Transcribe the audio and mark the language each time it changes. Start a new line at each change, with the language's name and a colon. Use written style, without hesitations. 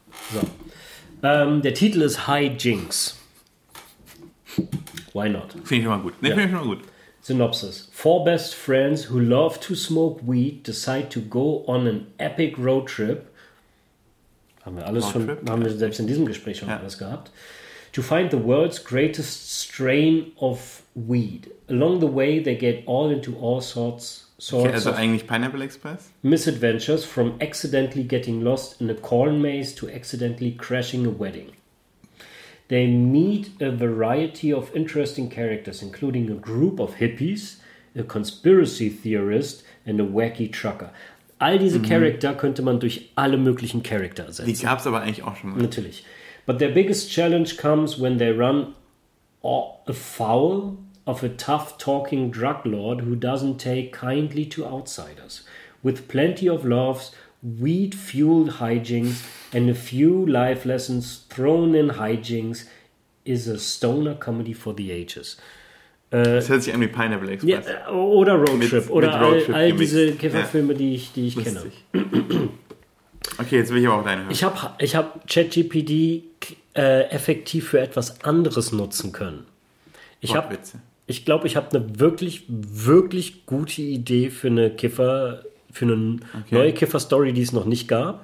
German: So. Der Titel ist High Jinx.
English: Why not?
German: Finde ich immer gut. Finde ich immer gut.
English: Synopsis. Four best friends who love to smoke weed decide to go on an epic road trip.
German: Haben wir selbst in diesem Gespräch schon alles gehabt.
English: To find the world's greatest strain of weed. Along the way they get all into all sorts.
German: Also eigentlich Pineapple Express?
English: Misadventures from accidentally getting lost in a corn maze to accidentally crashing a wedding. They meet a variety of interesting characters, including a group of hippies, a conspiracy theorist and a wacky trucker.
German: All diese Charakter könnte man durch alle möglichen Charakter ersetzen. Die gab es aber eigentlich auch schon mal. Natürlich.
English: But their biggest challenge comes when they run afoul of a tough-talking drug lord who doesn't take kindly to outsiders. With plenty of laughs, weed-fueled hijinks, and a few life lessons thrown in hijinks, is a stoner comedy for the ages.
German: Das hört sich an wie Pineapple Express. Ja, oder Road Trip. Oder mit Road Trip all diese Kifferfilme, die ich kenne. Okay, jetzt will ich aber auch deine hören. Ich hab ChatGPT effektiv für etwas anderes nutzen können. Ich glaube, ich habe eine wirklich, wirklich gute Idee für eine neue Kiffer-Story, die es noch nicht gab.